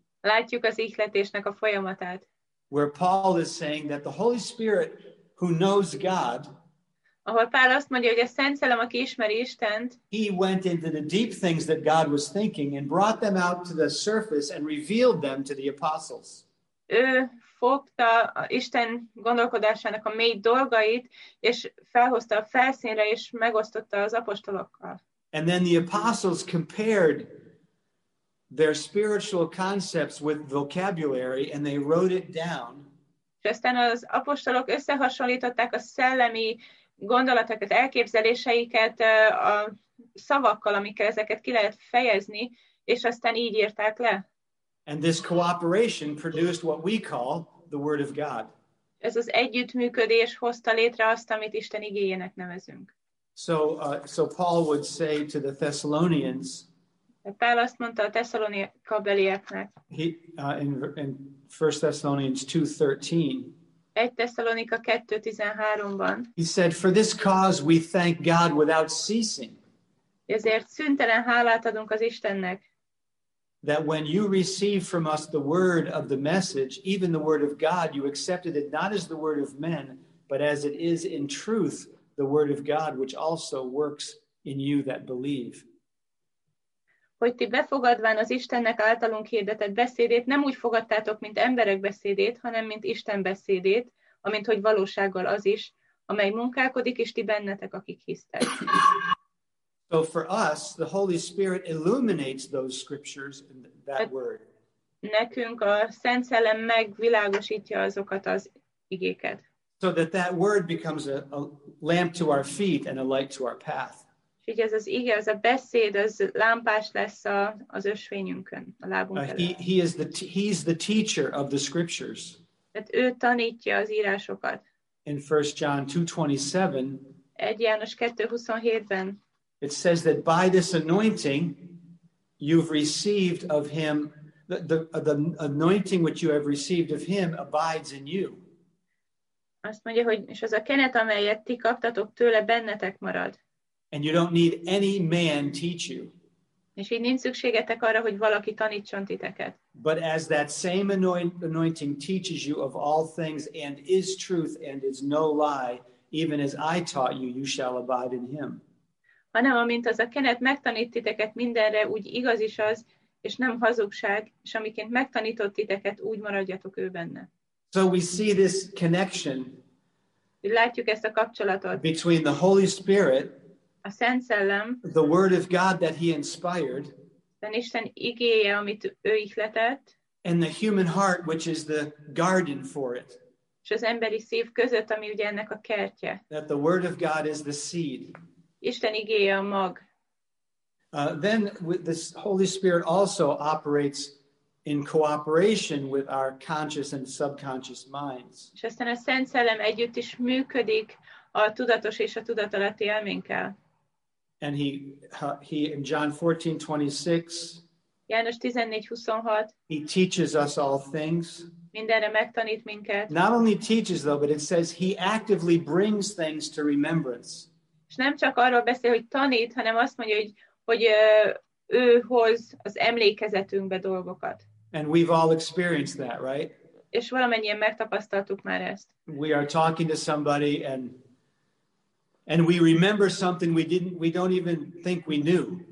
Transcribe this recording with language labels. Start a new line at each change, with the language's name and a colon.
Hungarian: Látjuk az ihletésnek a folyamatát.
English: Where Paul is saying that the Holy Spirit, who knows God,
Hungarian: ahol Pál azt mondja, hogy a Szent Szellem, aki ismeri Istent,
English: he went into the deep things that God was thinking and brought them out to the surface and revealed them to the apostles.
Hungarian: Ő fogta Isten gondolkodásának a mély dolgait, és felhozta a felszínre, és megosztotta az apostolokkal.
English: And then the apostles compared their spiritual concepts with vocabulary, and they wrote it down.
Hungarian: És aztán az apostolok összehasonlították a szellemi gondolatokat, elképzeléseiket a szavakkal, amikkel ezeket ki lehet fejezni, és aztán így írták le.
English: And this cooperation produced what we call the Word of God.
Hungarian: Ez az együttműködés hozta létre azt, amit Isten igéjének nevezünk.
English: So Paul would say to the Thessalonians,
Hungarian: Pál azt mondta a Tesszalonika belieknek.
English: In 1 Thessalonians 2:13.
Hungarian: 1 Tesszalonika 2:13-ban.
English: He said, "For this cause we thank God without ceasing."
Hungarian: Ezért szüntelen hálát adunk az Istennek.
English: That when you received from us the word of the message, even the word of God, you accepted it not as the word of men, but as it is in truth the word of God, which also works in you that believe.
Hungarian: Hogy ti befogadván az Istennek általunk hirdetett beszédét, nem úgy fogadtátok, mint emberek beszédét, hanem mint Isten beszédét, amint hogy valósággal az is, amely munkálkodik, és ti bennetek, akik hisztek.
English: So for us, the Holy Spirit illuminates those scriptures and that word.
Hungarian: Nekünk a Szent Szellem megvilágosítja azokat az igéket.
English: So that word becomes a lamp to our feet and a light to our path.
Hungarian: Így ez az ige, ez a beszéd, az lámpás lesz az ösvényünkön, a lábunk előtt.
English: He's the teacher of the scriptures.
Hungarian: Tehát ő tanítja az írásokat.
English: In 1 John 2:27.
Hungarian: 1 János 2:27-ben.
English: It says that by this anointing you've received of him, the anointing which you have received of him abides in you.
Hungarian: Azt mondja, hogy és az a kenet, amelyet ti kaptatok tőle, bennetek marad.
English: And you don't need any man teach you.
Hungarian: És így nincs szükségetek arra, hogy valaki tanítson titeket.
English: But as that same anointing teaches you of all things and is truth and is no lie, even as I taught you, you shall abide in him.
Hungarian: Hanem amint az a kenet megtanít titeket mindenre, úgy igaz is az, és nem hazugság, és amiként megtanított titeket, úgy maradjatok ő benne.
English: So we see this connection.
Hungarian: Látjuk ezt a kapcsolatot.
English: Between the Holy Spirit,
Hungarian: a Szent Szellem,
English: the word of God that he inspired,
Hungarian: az Isten igéje, amit ő ihletett,
English: and the human heart, which is the garden for it.
Hungarian: És az emberi szív között, ami ugye ennek a kertje.
English: That the word of God is the seed.
Hungarian: Isten igéje a mag.
English: Then with this Holy Spirit also operates in cooperation with our conscious and subconscious minds.
Hungarian: És aztán a Szent Szellem együtt is működik a tudatos és a tudatalatti elménkkel.
English: And he in John 14:26.
Hungarian: János 14:26.
English: He teaches us all things.
Hungarian: Mindenre megtanít minket.
English: Not only teaches though, but it says he actively brings things to remembrance.
Hungarian: És nem csak arról beszél, hogy tanít, hanem azt mondja, hogy ő hoz az emlékezetünkbe dolgokat.
English: And we've all experienced that, right?
Hungarian: És valamennyien megtapasztaltuk már ezt.
English: We are talking to somebody and we remember something we don't even think we knew.